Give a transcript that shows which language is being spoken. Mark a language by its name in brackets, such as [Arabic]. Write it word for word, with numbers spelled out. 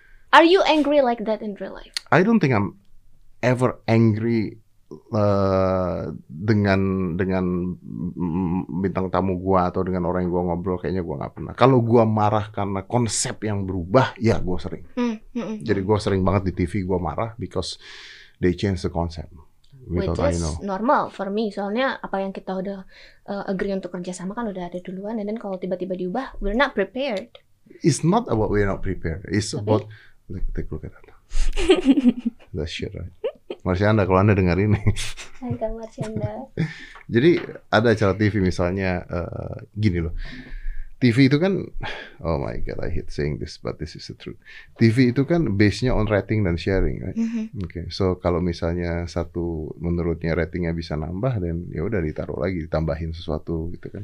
[English] Are you angry like that in real life? I don't think I'm ever angry. [Indonesian] Uh, dengan dengan bintang tamu gua atau dengan orang yang gua ngobrol kayaknya gua nggak pernah. Kalau gua marah karena konsep yang berubah, ya gua sering. Mm, mm, mm. Jadi gua sering banget di T V gua marah [English] because they change the concept. Which is normal for me. [Indonesian] Soalnya apa yang kita udah uh, agree untuk kerjasama kan udah ada duluan, dan kalau tiba-tiba diubah, [English] we're not prepared. It's not about we're not prepared. It's [Indonesian] Tapi... [English] about like, take a look at that. That's shit, right? [Indonesian] Marsyanda, kalau Anda dengar ini. Hai Marsyanda. Jadi ada acara T V misalnya uh, gini loh. T V itu kan, [English] oh my god, I hate saying this but this is the truth. [Indonesian] T V itu kan base-nya [English] on rating [Indonesian] dan sharing, [English] right? [Indonesian] Mm-hmm. Oke. Okay. So kalau misalnya satu menurutnya ratingnya bisa nambah, dan ya udah ditaruh lagi, ditambahin sesuatu gitu kan.